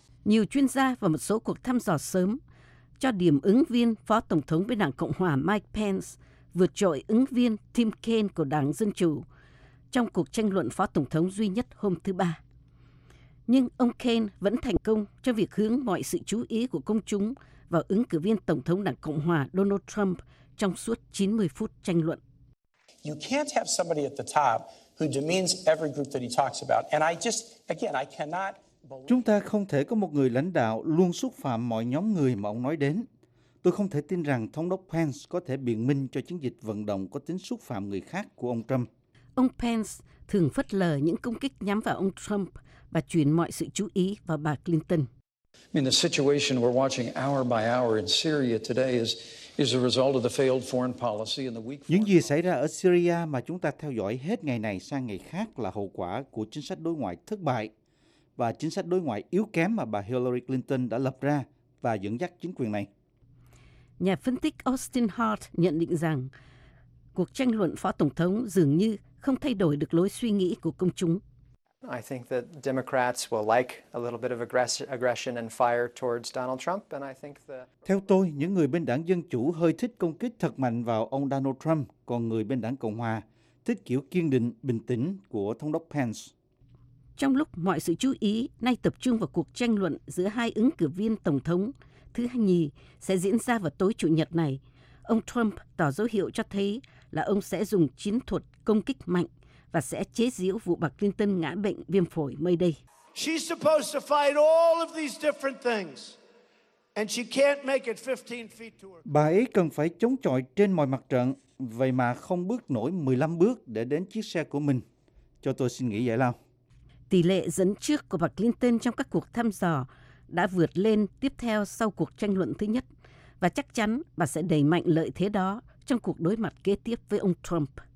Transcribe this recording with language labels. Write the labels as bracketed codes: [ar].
[vi] Nhiều chuyên gia và một số cuộc thăm dò sớm cho điểm ứng viên phó tổng thống bên đảng Cộng Hòa Mike Pence vượt trội ứng viên Tim Kaine của đảng Dân Chủ trong cuộc tranh luận phó tổng thống duy nhất hôm thứ Ba. Nhưng ông Kaine vẫn thành công trong việc hướng mọi sự chú ý của công chúng vào ứng cử viên tổng thống đảng Cộng Hòa Donald Trump trong suốt 90 phút tranh luận. [en] You can't have somebody at the top who demeans every group that he talks about. And I just, again, I cannot. [vi] Chúng ta không thể có một người lãnh đạo luôn xúc phạm mọi nhóm người mà ông nói đến. Tôi không thể tin rằng thống đốc Pence có thể biện minh cho chiến dịch vận động có tính xúc phạm người khác của ông Trump. Ông Pence thường phớt lờ những công kích nhắm vào ông Trump và chuyển mọi sự chú ý vào bà Clinton. [en] I mean, the situation we're watching hour by hour in Syria today is a result of the failed foreign policy and the weak. [vi] Những gì xảy ra ở Syria mà chúng ta theo dõi hết ngày này sang ngày khác là hậu quả của chính sách đối ngoại thất bại và chính sách đối ngoại yếu kém mà bà Hillary Clinton đã lập ra và dẫn dắt chính quyền này. Nhà phân tích Austin Hart nhận định rằng cuộc tranh luận phó tổng thống dường như không thay đổi được lối suy nghĩ của công chúng. [en] I think that Democrats will like a little bit of aggression and fire towards Donald Trump, and I think the. [vi] Theo tôi, những người bên đảng Dân Chủ hơi thích công kích thật mạnh vào ông Donald Trump, còn người bên đảng Cộng Hòa thích kiểu kiên định, bình tĩnh của thống đốc Pence. Trong lúc mọi sự chú ý nay tập trung vào cuộc tranh luận giữa hai ứng cử viên tổng thống thứ hai nhì sẽ diễn ra vào tối Chủ nhật này, ông Trump tỏ dấu hiệu cho thấy là ông sẽ dùng chiến thuật công kích mạnh và sẽ chế giễu vụ bà Clinton ngã bệnh viêm phổi mới đây. [en] She's supposed to fight all of these different things and she can't make it 15 feet to her. [vi] Bà ấy cần phải chống chọi trên mọi mặt trận, vậy mà không bước nổi 15 bước để đến chiếc xe của mình. Cho tôi xin nghĩ giải lao. Tỷ lệ dẫn trước của bà Clinton trong các cuộc thăm dò đã vượt lên tiếp theo sau cuộc tranh luận thứ nhất, và chắc chắn bà sẽ đẩy mạnh lợi thế đó trong cuộc đối mặt kế tiếp với ông Trump.